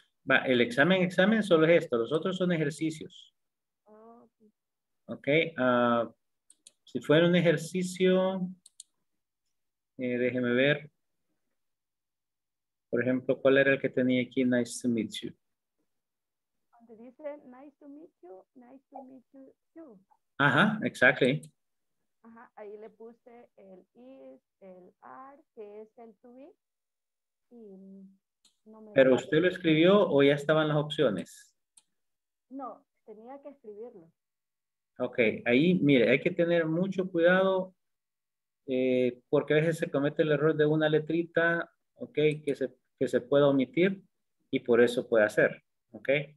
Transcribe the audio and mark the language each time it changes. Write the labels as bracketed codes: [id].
[es] Va, el examen solo es esto, los otros son ejercicios. Ok, si fuera un ejercicio, déjeme ver, por ejemplo, ¿cuál era el que tenía aquí? [en] Nice to meet you. [es] Donde dice [en] nice to meet you, nice to meet you too. [es] Ajá, exactly. Ajá, ahí le puse el is, el are, que es el to be. Y no me. ¿Pero usted lo escribió o ya estaban las opciones? No, tenía que escribirlo. Ok, ahí, mire, hay que tener mucho cuidado porque a veces se comete el error de una letrita, ok, que se puede omitir y por eso puede hacer, ok.